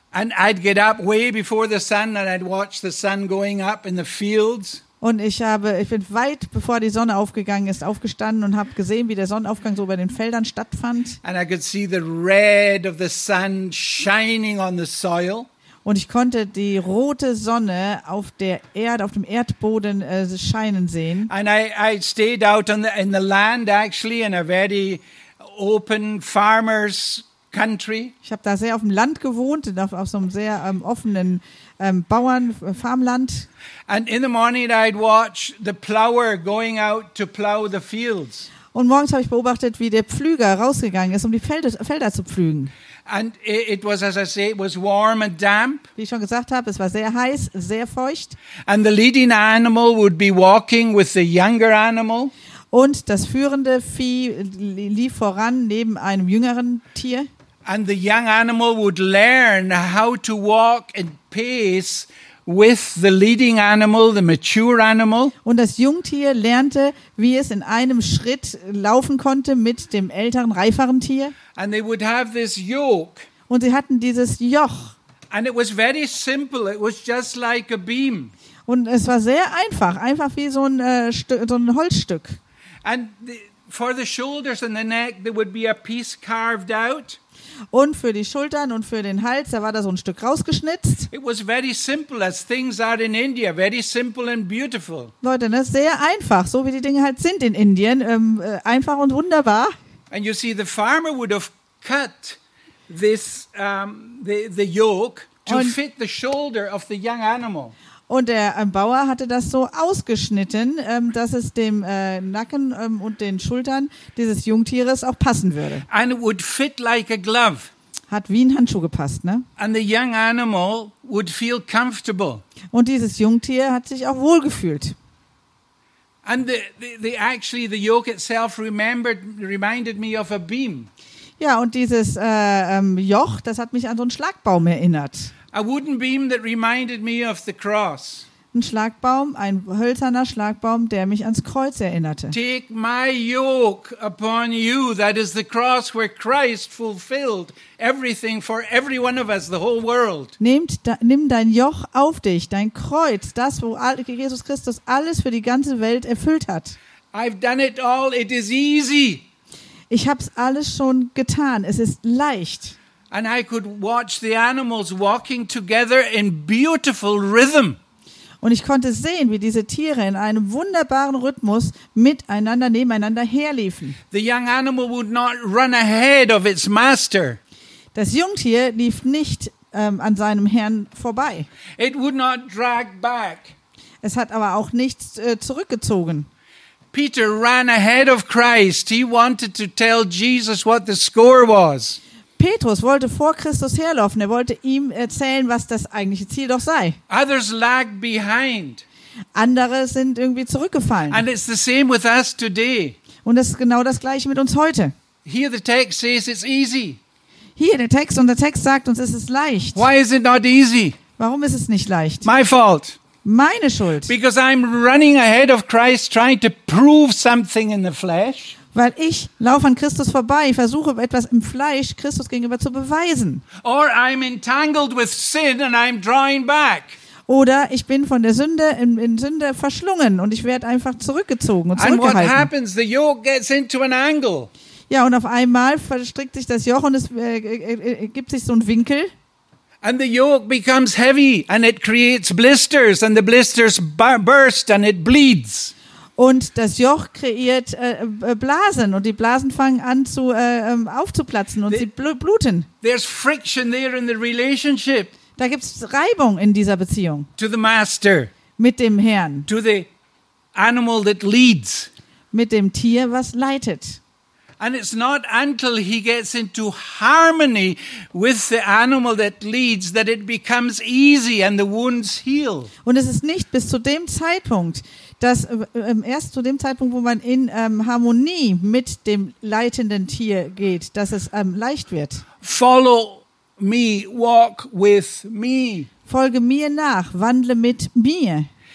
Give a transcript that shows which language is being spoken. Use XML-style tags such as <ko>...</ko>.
<en>And I'd get up way before the sun and I'd watch the sun going up in the fields.</en> <de>Und ich bin weit bevor die Sonne aufgegangen ist aufgestanden und habe gesehen, wie der Sonnenaufgang so über den Feldern stattfand.</de> <en>And I could see the red of the sun shining on the soil.</en> <de>Und ich konnte die rote Sonne auf der Erde, auf dem Erdboden scheinen sehen.</de> <en>And I stayed out in the land actually in a very open farmer's country.</en> <de>Ich habe da sehr auf dem Land gewohnt, auf so einem sehr offenen Farmland.</de> <en>And in the morning I'd watch the plower going out to plow the fields.</en> <de>Und morgens habe ich beobachtet, wie der Pflüger rausgegangen ist, um die Felder zu pflügen.</de> <en>And it was, as I say, it was warm and damp.</en> <de>Wie ich schon gesagt habe, es war sehr heiß, sehr feucht.</de> <en>And the leading animal would be walking with the younger animal.</en> <de>Und das führende Vieh lief voran neben einem jüngeren Tier.</de> <en>And the young animal would learn how to walk at pace with the leading animal, the mature animal.</en> <de>Und das Jungtier lernte, wie es in einem Schritt laufen konnte mit dem älteren, reiferen Tier.</de> <en>And they would have this yoke.</en> <de>Und sie hatten dieses Joch.</de> <en>And it was very simple. It was just like a beam.</en> <de>Und es war sehr einfach, einfach wie so ein Holzstück.</de> <en>And for the shoulders and the neck, there would be a piece carved out.</en> <de>Und für die Schultern und für den Hals, da war da so ein Stück rausgeschnitzt.</de> <en>It was very simple, as things are in India, very simple and beautiful.</en> <de>Leute, das ist sehr einfach, so wie die Dinge halt sind in Indien, einfach und wunderbar.</de> <en>And you see, the farmer would have cut this the yoke to fit the shoulder of the young animal.</en> <de>Und der Bauer hatte das so ausgeschnitten, dass es dem Nacken und den Schultern dieses Jungtieres auch passen würde.</de> <en>And it would fit like a glove.</en> <de>Hat wie ein Handschuh gepasst, ne?</de> <en>And the young animal would feel comfortable.</en> <de>Und dieses Jungtier hat sich auch wohlgefühlt.</de> <en>And the yoke itself reminded me of a beam.</en> <de>Ja, und dieses Joch, das hat mich an so einen Schlagbaum erinnert.</de> <en>A wooden beam that reminded me of the cross.</en> <de>ein Schlagbaum, ein hölzerner Schlagbaum, der mich ans Kreuz erinnerte.</de> <en>Take my yoke upon you, that is the cross where Christ fulfilled everything for every one of us, the whole world.</en> <de>Nimm dein Joch auf dich, dein Kreuz, das, wo Jesus Christus alles für die ganze Welt erfüllt hat.</de> <en>I've done it all, it is easy.</en> <de>Ich hab's alles schon getan, es ist leicht.</de> <en>And I could watch the animals walking together in beautiful rhythm.</en> <de>Und ich konnte sehen, wie diese Tiere in einem wunderbaren Rhythmus miteinander nebeneinander herliefen.</de> <en>The young animal would not run ahead of its master.</en> <de>Das Jungtier lief nicht an seinem Herrn vorbei.</de> <en>It would not drag back.</en> <de>Es hat aber auch nichts zurückgezogen.</de> <en>Peter ran ahead of Christ. He wanted to tell Jesus what the score was.</en> <de>Petrus wollte vor Christus herlaufen. Er wollte ihm erzählen, was das eigentliche Ziel doch sei.</de> <en>Others lag behind.</en> <de>Andere sind irgendwie zurückgefallen.</de> <en>And it's the same with us today.</en> <de>Und es ist genau das gleiche mit uns heute.</de> <en>Here the text says it's easy.</en> <de>Hier der Text und der Text sagt uns, es ist leicht.</de> <en>Why is it not easy?</en> <de>Warum ist es nicht leicht?</de> <en>My fault.</en> <de>Meine Schuld.</de> <en>Because I'm running ahead of Christ, trying to prove something in the flesh.</en> <de>Weil ich laufe an Christus vorbei, versuche etwas im Fleisch Christus gegenüber zu beweisen.</de> <en>Or I'm entangled with sin and I'm drawing back.</en> <de>Oder ich bin von der Sünde in Sünde verschlungen und ich werde einfach zurückgezogen und zurückgehalten.</de> <en>And what happens? The yoke gets into an angle.</en> <de>Ja, und auf einmal verstrickt sich das Joch und es gibt sich so ein Winkel.</de> <en>And the yoke becomes heavy and it creates blisters and the blisters burst and it bleeds.</en> <de>Und das Joch kreiert Blasen und die Blasen fangen an zu aufzuplatzen und sie bluten.</de> <en>There's friction there in the relationship.</en> <de>Da gibt's Reibung in dieser Beziehung.</de> <en>To the master.</en> <de>Mit dem Herrn.</de> <en>To the animal that leads.</en> <de>Mit dem Tier, was leitet.</de> <en>And it's not until he gets into harmony with the animal that leads that it becomes easy and the wounds heal.</en> <de>Und es ist nicht bis zu dem Zeitpunkt, dass erst zu dem Zeitpunkt, wo man in Harmonie mit dem leitenden Tier geht, dass es leicht wird.</de> <en>Follow me, walk with me.</en> <de>Folge mir nach, wandle mit mir.</de>